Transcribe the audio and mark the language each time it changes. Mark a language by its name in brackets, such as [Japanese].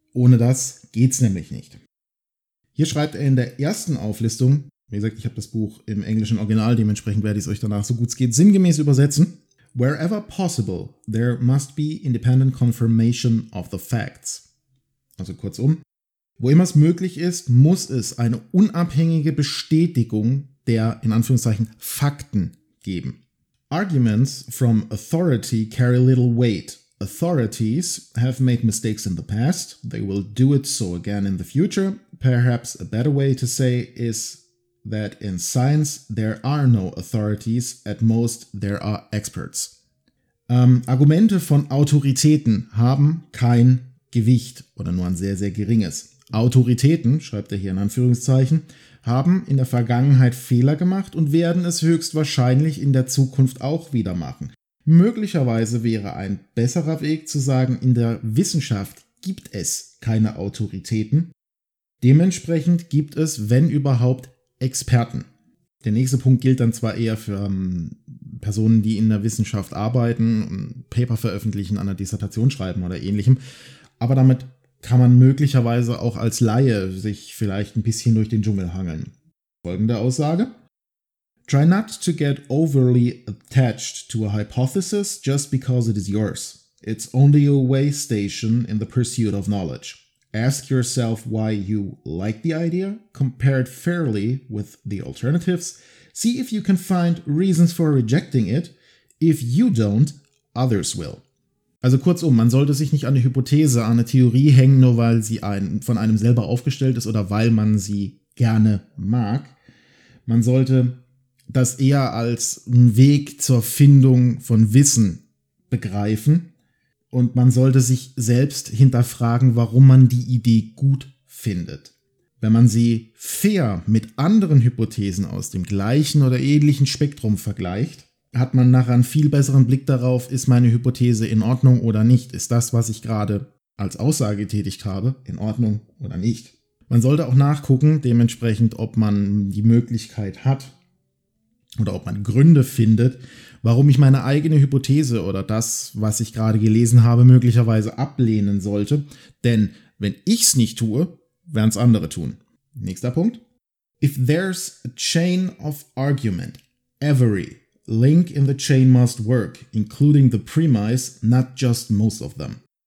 [German] Ohne das geht's nämlich nicht. Hier schreibt er in der ersten Auflistung, wie gesagt, ich habe das Buch im englischen Original, dementsprechend werde ich es euch danach, so gut es geht, sinngemäß übersetzen. [English] Wherever possible, there must be independent confirmation of the facts. [German] Also kurzum, wo immer es möglich ist, muss es eine unabhängige Bestätigung der, in Anführungszeichen, Fakten geben. [English] Arguments from authority carry little weight. Authorities have made mistakes in the past. They will do it so again in the future. Perhaps a better way to say is that in science there are no authorities. At most there are experts. [German] Argumente von Autoritäten haben kein Gewicht oder nur ein sehr, sehr geringes. Autoritäten, schreibt er hier in Anführungszeichen, haben in der Vergangenheit Fehler gemacht und werden es höchstwahrscheinlich in der Zukunft auch wieder machen. Möglicherweise wäre ein besserer Weg zu sagen, in der Wissenschaft gibt es keine Autoritäten. Dementsprechend gibt es, wenn überhaupt, Experten. Der nächste Punkt gilt dann zwar eher für Personen, die in der Wissenschaft arbeiten, Paper veröffentlichen, an einer Dissertation schreiben oder ähnlichem, aber damit kann man möglicherweise auch als Laie sich vielleicht ein bisschen durch den Dschungel hangeln. Folgende Aussage. [English] Try not to get overly attached to a hypothesis just because it is yours. It's only a way station in the pursuit of knowledge. Ask yourself why you like the idea, compare it fairly with the alternatives, see if you can find reasons for rejecting it. If you don't, others will. [German] Also kurzum, man sollte sich nicht an eine Hypothese, an eine Theorie hängen, nur weil sie von einem selber aufgestellt ist oder weil man sie gerne mag. Man sollte das eher als einen Weg zur Findung von Wissen begreifen und man sollte sich selbst hinterfragen, warum man die Idee gut findet. Wenn man sie fair mit anderen Hypothesen aus dem gleichen oder ähnlichen Spektrum vergleicht, hat man nachher einen viel besseren Blick darauf, ist meine Hypothese in Ordnung oder nicht? Ist das, was ich gerade als Aussage getätigt habe, in Ordnung oder nicht? Man sollte auch nachgucken, dementsprechend, ob man die Möglichkeit hat oder ob man Gründe findet, warum ich meine eigene Hypothese oder das, was ich gerade gelesen habe, möglicherweise ablehnen sollte. Denn wenn ich es nicht tue, werden es andere tun. Nächster Punkt. [English] If there's a chain of argument, every link in the chain must work, including the premise, not just most of them.